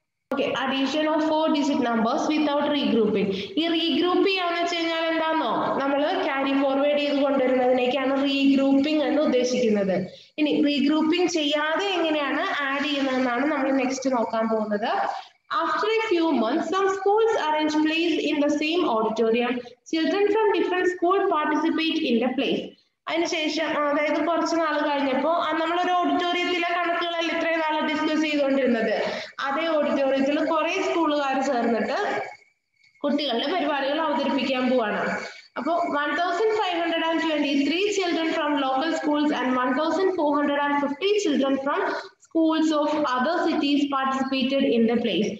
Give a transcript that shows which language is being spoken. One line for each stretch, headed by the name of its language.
English: Okay, addition of four digit numbers without regrouping.
Malayalam: ഈ regroup ചെയ്യാന്ന് വെച്ച് കഴിഞ്ഞാൽ എന്താണോ, നമ്മൾ ക്യാരി ഫോർവേഡ് ചെയ്ത് കൊണ്ടുവരുന്നതിനേക്കാണ് റീഗ്രൂപ്പിംഗ് എന്ന് ഉദ്ദേശിക്കുന്നത്. ഇനി റീഗ്രൂപ്പിംഗ് ചെയ്യാതെ എങ്ങനെയാണ് ആഡ് ചെയ്യുന്നതെന്നാണ് നമ്മൾ നെക്സ്റ്റ് നോക്കാൻ പോകുന്നത്.
English: After a few months, some schools arrange plays in the same auditorium. Children from different schools participate in the play.
Malayalam: അതിന് ശേഷം, അതായത് കുറച്ച് നാൾ കഴിഞ്ഞപ്പോ നമ്മളൊരു ഓഡിറ്റോറിയത്തിലെ കണക്കുകളല്ല ഇത്രയും നാൾ ഡിസ്കസ് ചെയ്തുകൊണ്ടിരുന്നത്. അതേ ഓഡിറ്റോറിയത്തിൽ കുറെ സ്കൂളുകാർ ചേർന്നിട്ട് കുട്ടികളുടെ പരിപാടികൾ അവതരിപ്പിക്കാൻ പോവാണ്.
English: അപ്പോ 1523 children from local schools and 1450 children from schools of other cities participated in the play.